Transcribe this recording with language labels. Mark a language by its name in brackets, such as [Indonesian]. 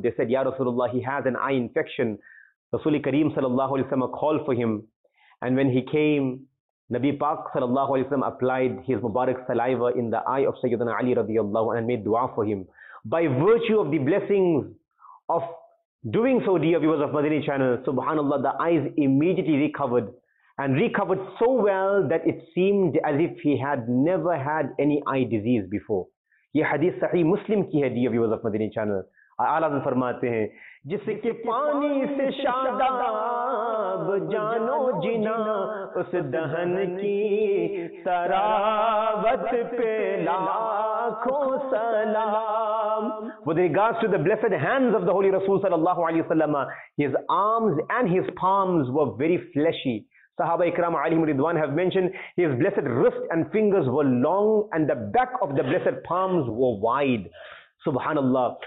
[English] They said, Ya Rasulullah, he has an eye infection. Rasul Kareem sallallahu alayhi wa sallam called for him, and when he came, Nabi Pak sallallahu alayhi wa sallam applied his Mubarak saliva in the eye of Sayyidina Ali radiallahu anhu and made dua for him. By virtue of the blessings of doing so, dear viewers of Madini channel, subhanallah, the eyes immediately recovered, and recovered so well that it seemed as if he had never had any eye disease before. [Urdu] Ye hadith sahih Muslim ki hai, [English] dear viewers of Madini channel. [Urdu] اعلیٰ حضرت فرماتے ہیں, جس کے پانی سے شاداب جانو جنا, اس دہن کی سراوت پہ لاکھوں سلام. [English] With regards to the blessed hands of the Holy Rasul sallallahu alayhi wa sallam, his arms and his palms were very fleshy. Sahaba ikram alayhim ridwan have mentioned, his blessed wrist and fingers were long, and the back of the blessed palms were wide. Subhanallah.